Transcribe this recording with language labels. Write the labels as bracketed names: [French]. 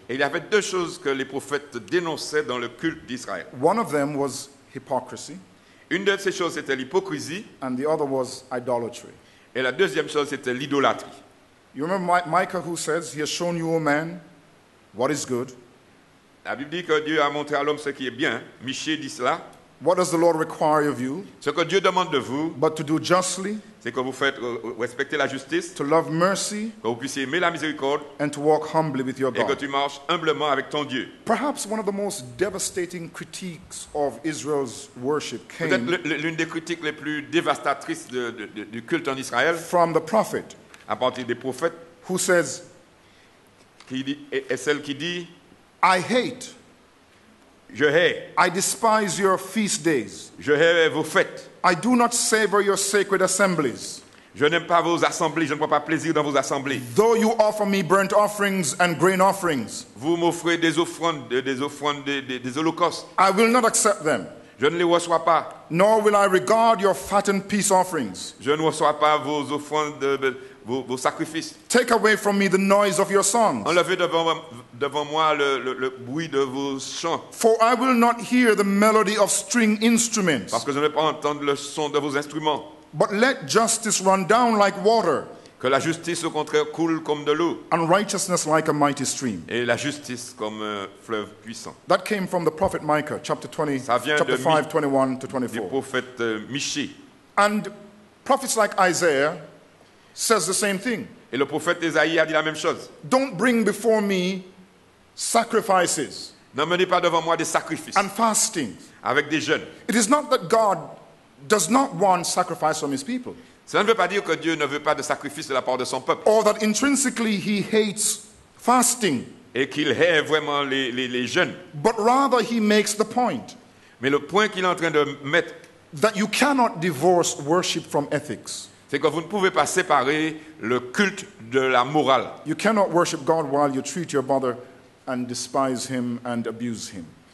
[French] Il y avait deux choses que les prophètes dénonçaient dans le culte d'Israël. [English] One of them was hypocrisy. [French] Une de ces choses était l'hypocrisie. [English] And the other was idolatry. [French] Et la deuxième chose était l'idolâtrie. [English] You remember Micah who says, he has shown you, O man, what is good. [French] La Bible dit que Dieu a montré à l'homme ce qui est bien. Michée dit cela. [English] What does the Lord require of you? [French] Ce que Dieu demande de vous. [English] But to do justly. [French] C'est que vous faites respecter la justice. [English] To love mercy. [French] Que vous puissiez aimer la miséricorde. [English] And to walk humbly with your God. [French] Et que tu marches humblement avec ton Dieu. [English] Perhaps one of the most devastating critiques of Israel's worship came. [French] Peut-être l'une des critiques les plus dévastatrices du culte en Israël. [English] From the prophet. [French] À partir des prophètes. [English] Who says? [French] Qui dit est celle qui dit. [English] I hate. [French] Je hais. [English] I despise your feast days. [French] Je hais vos fêtes. [English] I do not savor your sacred assemblies. [French] Je n'aime pas vos assemblées. Je ne prends pas plaisir dans vos assemblées. [English] Though you offer me burnt offerings and grain offerings. [French] Vous m'offrez des offrandes, des holocaustes. [English] I will not accept them. [French] Je ne les reçois pas. [English] Nor will I regard your fattened peace offerings. [French] Je ne reçois pas vos offrandes, vos sacrifices. [English] Take away from me the noise of your songs. [French] Enlevez devant moi le bruit de vos chants. [English] For I will not hear the melody of string instruments. [French] Parce que je ne vais pas entendre le son de vos instruments. [English] But let justice run down like water. [French] Que la justice au contraire coule comme de l'eau. [English] And righteousness like a mighty stream. [French] Et la justice comme un fleuve puissant. [English] That came from the prophet Micah, chapter 20, [French] ça vient [English] chapter [French] de [English] 5, 21 to 24. [French] Du prophète Michée. [English] And prophets like Isaiah says the same thing. [French] Et le prophète Isaïe a dit la même chose. [English] Don't bring before me sacrifices. [French] N'amenez pas devant moi des sacrifices. [English] And fasting. [French] Avec des jeûnes. [English] It is not that God does not want sacrifice from his people. [French] Cela ne veut pas dire que Dieu ne veut pas de sacrifice de la part de son peuple. [English] Or that intrinsically he hates fasting. [French] Et qu'il hait vraiment les jeûnes. [English] But rather he makes the point. [French] Mais le point qu'il est en train de mettre. [English] That you cannot divorce worship from ethics. [French] C'est que vous ne pouvez pas séparer le culte de la morale. [English] You cannot worship God while you treat your brother and despise him and abuse him.